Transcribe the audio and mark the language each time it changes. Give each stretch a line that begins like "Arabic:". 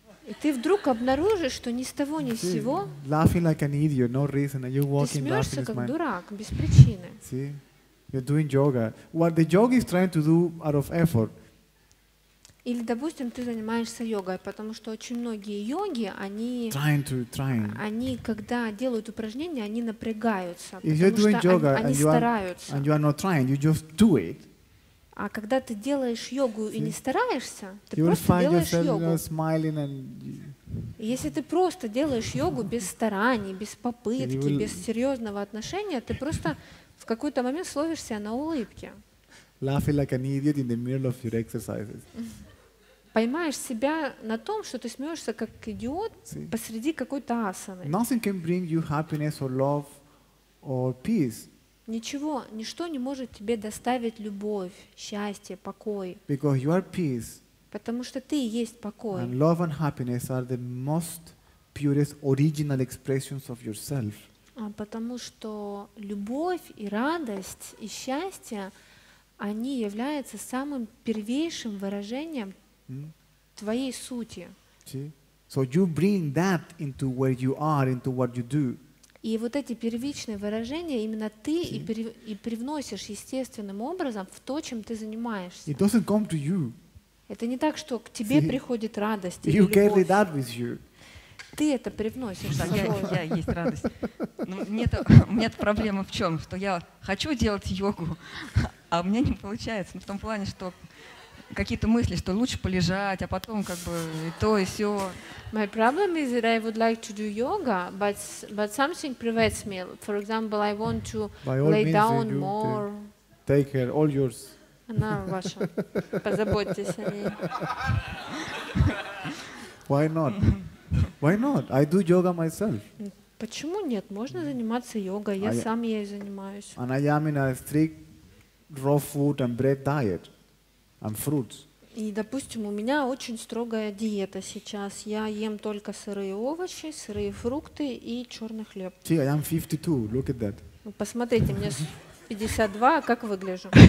Russian: И ты вдруг обнаружишь, что ни с того, ни с сего ты смеешься, как дурак, без причины.
English: You're doing yoga. What the yogi is trying to do out of effort.
Russian: Или, допустим, ты занимаешься йогой, потому что очень многие йоги, они когда делают упражнения, они напрягаются, потому что они стараются.
English: And you are not trying, you just do it.
Russian: А когда ты делаешь йогу и не стараешься, ты просто делаешь йогу.
English: You are smiling and
Russian: Если ты просто делаешь йогу без стараний, без попытки, без серьезного отношения, ты просто в какой-то момент словишь себя на улыбке.
English: Laughing like an idiot in the middle of your exercises.
Russian: Поймаешь себя на том, что ты смеешься как идиот посреди какой-то асаны.
English: Nothing can bring you happiness or love or peace.
Russian: Ничего, ничто не может тебе доставить любовь, счастье, покой.
English: Because you are peace.
Russian: Потому что ты и есть покой.
English: And love and happiness are the most purest original expressions of yourself.
Russian: А потому что любовь и радость и счастье они являются самым первейшим выражением твоей сути.
English: See? So you bring that into where you are, into what you do.
Russian: И вот эти первичные выражения именно ты и привносишь естественным образом в то, чем ты занимаешься.
English: It doesn't come to you.
Russian: Это не так, что к тебе приходит радость или любовь.
English: You carry that with you.
Russian: Ты это привносишь. Да, я есть радость. Но нет проблемы в чем? Что я хочу делать йогу, а у меня не получается. Ну, в том плане, что какие-то мысли, что лучше полежать, а потом как бы и то, и сё.
English: My problem is that I would like to do yoga, but something prevents me. For example, I want to By all lay means down you more. Take care, all yours.
Russian: Она ваша. Позаботьтесь о ней.
English: Why not? Why not? I do yoga myself.
Russian: Почему нет? Можно заниматься йогой. Я сам ей занимаюсь.
English: And I am in a strict raw food and bread diet. And fruits.
Russian: И, допустим, у меня очень строгая диета сейчас. Я ем только сырые овощи, сырые фрукты и черный хлеб.
English: See, I am 52. Look at that.
Russian: Посмотрите, мне 52, а как выгляжу?